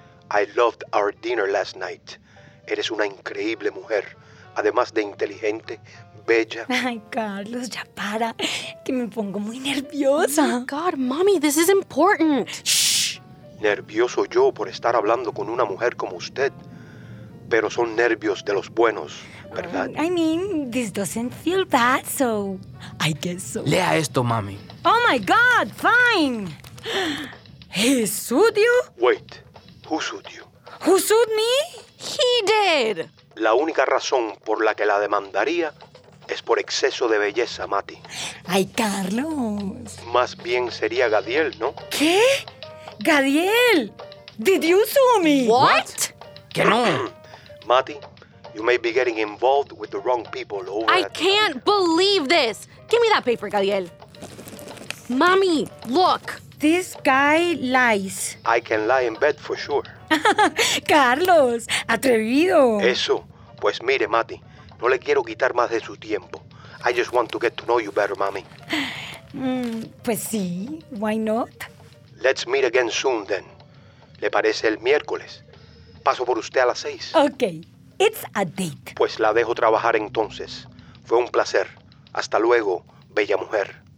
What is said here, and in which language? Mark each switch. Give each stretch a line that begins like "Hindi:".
English: I loved our dinner last night.
Spanish: Eres una increíble mujer. Además de inteligente, bella. Ay, Carlos, ya para. Que me pongo muy nerviosa.
English: Oh, God, Mommy, this is important. Shh.
Spanish: Nervioso yo por estar hablando con una mujer como usted. Pero son nervios de los buenos, ¿verdad?
English: I mean, this doesn't feel bad, so I guess so.
Spanish: Lea esto, Mommy.
English: Oh, my God, fine. He sued you? Wait, who sued you? Who sued me? He did.
Spanish: La única razón por la que la demandaría es por exceso de belleza, Matty. Ay, Carlos. Más bien sería Gadiel, ¿no?
English: ¿Qué? Gadiel, did you sue me? What?
Spanish: Que no.
English: Matty, you may be getting involved with the wrong people over I can't believe this! Give me that paper, Gadiel. Mommy, look! This guy lies. I can lie in bed for sure.
Spanish: Carlos, atrevido. Eso. Pues mire, Matty, No le quiero quitar más de su tiempo.
English: I just want to get to know you better, mami.
Spanish: Pues sí,
English: why not? Let's meet again soon, then.
Spanish: ¿Le parece el miércoles? Paso por usted a las 6.
English: Okay, it's a date.
Spanish: Pues la dejo trabajar entonces. Fue un placer. Hasta luego, bella mujer.